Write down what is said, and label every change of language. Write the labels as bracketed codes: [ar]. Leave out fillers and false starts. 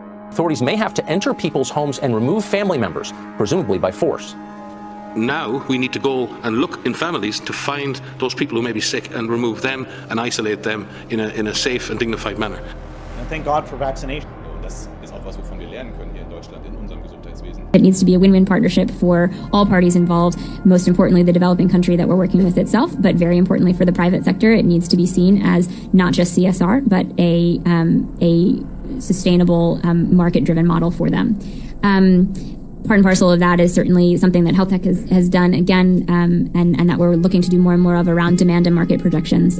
[en] Authorities may have to enter people's homes and remove family members, presumably by force. Now we need to go and look in families to find those people who may be sick and remove them and isolate them in a safe and dignified manner. And thank God for vaccination. [de] Das ist auch was, wovon wir lernen können hier in Deutschland, in unserem Gesundheitswesen. [en] It needs to be a win-win partnership for all parties involved, most importantly the developing country that we're working with itself, but very importantly for the private sector. It needs to be seen as not just CSR, but a sustainable market-driven model for them. Part and parcel of that is certainly something that Health Tech has done again and that we're looking to do more and more of around demand and market projections.